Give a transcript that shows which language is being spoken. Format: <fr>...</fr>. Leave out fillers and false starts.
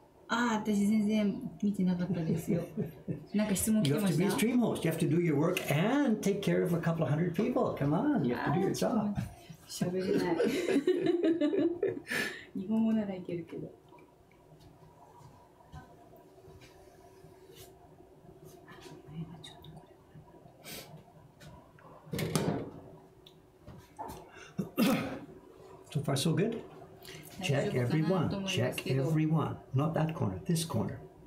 <ja>ああ、私全然見てなかったですよ。なんか質問来てました。</ja> <en>You have to be a stream host. You have to do your work and take care of a couple of hundred people. Come on, you have to do your job.</en> <ja>しゃべれない。日本語ならいけるけど。</ja> <en>So far, so good. Check everyone. Check everyone. Not that corner. This corner.</en>